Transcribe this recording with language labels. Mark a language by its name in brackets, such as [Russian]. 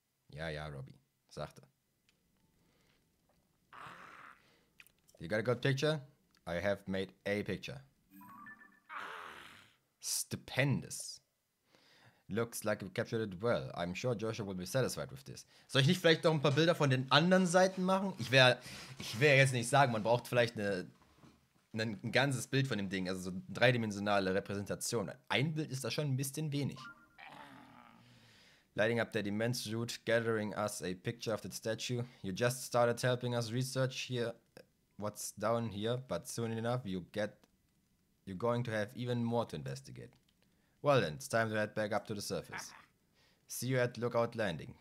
[German] Ja, Robbie, sagte. [English] You got a good picture? I have made a picture. Stupendous. Looks like we captured it well. I'm sure Joshua will be satisfied with this. [German] Soll ich nicht vielleicht noch ein paar Bilder von den anderen Seiten machen? Ich wäre jetzt nicht sagen, man braucht vielleicht eine ein ganzes Bild von dem Ding, also so eine dreidimensionale Repräsentation. Ein Bild ist da schon ein bisschen wenig. [English] Lighting up that immense root, gathering us a picture of the statue. You just started helping us research here what's down here, but soon enough you're going to have even more to investigate. Well then, it's time to head back up to the surface. See you at Lookout Landing.